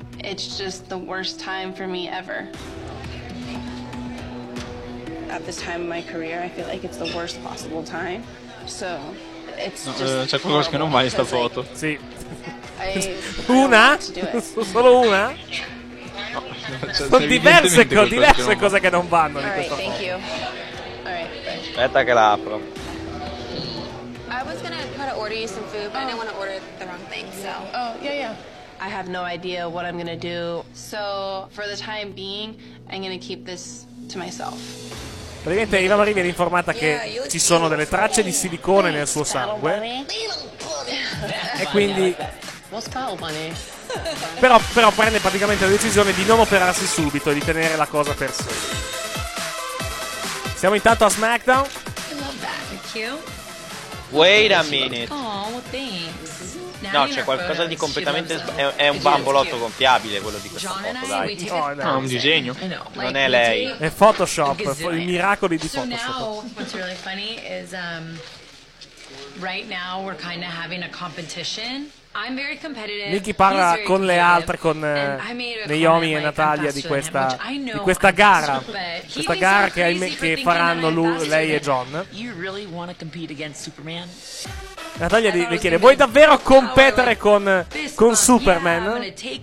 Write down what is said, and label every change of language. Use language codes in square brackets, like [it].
[en] It's just the worst time for me ever. At this time in my career, I feel like it's the worst possible time. So, it's no, just [it] c'è qualcosa che non va in sta foto. Sì. Una? Solo una? No, sono diverse, diverse cose che non vanno in questa foto. [en] Thank you. All [it] right. Aspetta che la apro. [en] I was gonna try to order you some food, but I didn't want to order the wrong thing, so. Oh, yeah, yeah. I have no idea what I'm gonna do. So, for the time being, I'm gonna keep this to myself. [it] Praticamente Eva Marie viene informata che ci sono delle tracce di silicone nel suo sangue. E quindi. [en] What's cattle money? [it] Però, però prende praticamente la decisione di non operarsi subito e di tenere la cosa per sé. Siamo intanto a SmackDown. [en] I love that. Thank you. Wait a minute. Oh, thanks. [it] No, c'è qualcosa di completamente sbagliato. È un bambolotto gonfiabile quello di questa foto, dai. No, è no, un disegno. Non è lei. È Photoshop, i miracoli di Photoshop. [en] So now, what's really funny is right now we're kind of having a competition. I'm very competitive. [it] Nikki parla [en] very [it] con le altre, con Naomi e Natalia di questa gara. Questa gara che faranno lei e John. [en] You really want to compete against Superman? [it] Natalia le chiede: vuoi davvero competere con Superman?